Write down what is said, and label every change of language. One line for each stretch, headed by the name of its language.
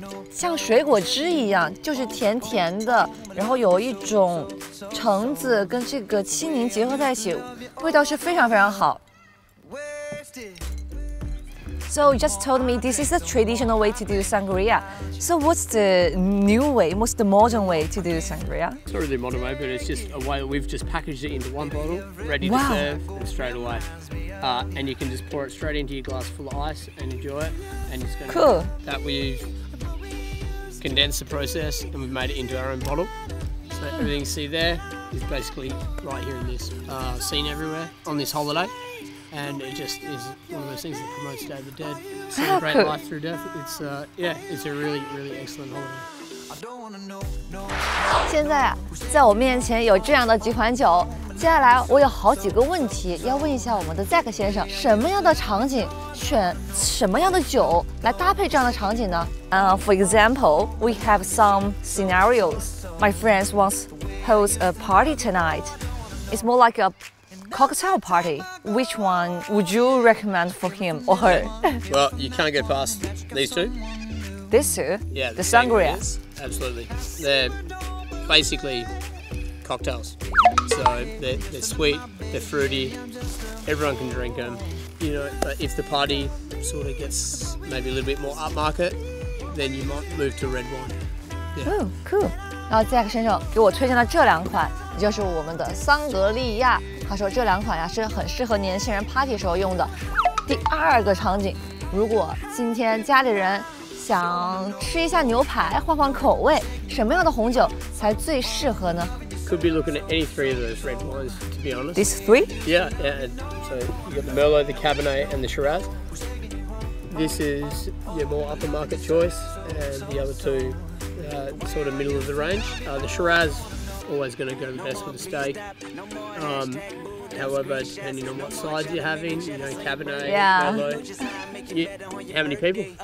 Chinese: 像水果汁一样，就是甜甜的，然后有一种橙子跟这个青柠结合在一起，味道是非常非常好。
English: So you just told me this is the traditional way to do sangria. So what's the new way, what's the modern way to do sangria? It's not really modern way, but it's just a way that we've just packaged it into one bottle, ready to serve, and straight away. And you can just pour it straight into your glass full of ice and enjoy it. And it's going to cool. That we've condensed the process and we've made it into our own bottle. So everything you see there is basically right here in this scene everywhere on this holiday. And it just is one of those things that promotes Day of the Dead. Celebrate life through death. It's, yeah, it's a really, really excellent holiday.
Chinese: 现在在我面前有这样的几款酒，接下来我有好几个问题要问一下我们的 Zach 先生，什么样的场景选什么样的酒来搭配这样的场景呢？
English: For example, we have some scenarios. My friends wants host a party tonight. It's more like a... cocktail party, which one would you recommend for him or her? Well, you can't get past these two. These two? Yeah. The sangria. Absolutely. They're basically cocktails. So they're sweet, they're fruity, everyone can drink them. You know, but if the party sort of gets maybe a little bit more upmarket, then you might move to red wine. Yeah. Oh, cool.
Chinese: 然后 Zach 先生给我推荐了这两款，也就是我们的桑格利亚。他说这两款呀是很适合年轻人 party 时候用的。第二个场景，如果今天家里人想吃一下牛排，换换口味，什么样的红酒才最适合呢？
English: Could be looking at any three of those red wines, to be honest. These three? Yeah. So you got the Merlot, the Cabernet, and the Shiraz. This is your more upper market choice, and the other two. Sort of middle of the range. The Shiraz always going to go the best with the steak. However, depending on what sides you're having, you know, Cabernet, Merlot, how many people?